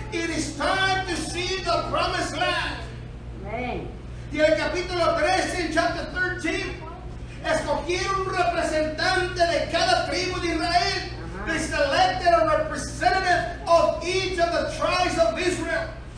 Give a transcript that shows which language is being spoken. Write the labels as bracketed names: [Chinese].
[English] It is time to see the promised land. Amen. [Spanish] Y en el capítulo 13, en [English] chapter 13, [Spanish] escogieron un representante de cada tribu de Israel. [English] They selected a representative of each of the tribes of Israel.